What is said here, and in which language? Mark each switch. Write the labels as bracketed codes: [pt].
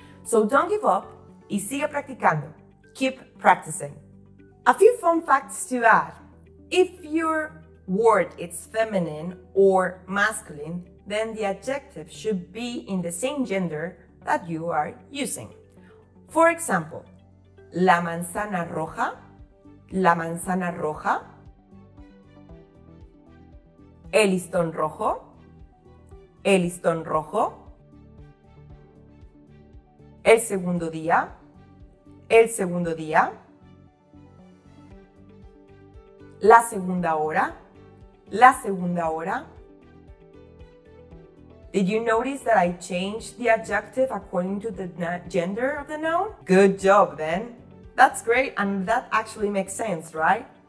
[en] So don't give up [es] y sigue practicando. [en] Keep practicing. A few fun facts to add. If your word is feminine or masculine, then the adjective should be in the same gender that you are using. For example, [es] la manzana roja, la manzana roja, el listón rojo, el listón rojo, el segundo día, la segunda hora. [en] Did you notice that I changed the adjective according to the gender of the noun? Good job, then. That's great, and that actually makes sense, right?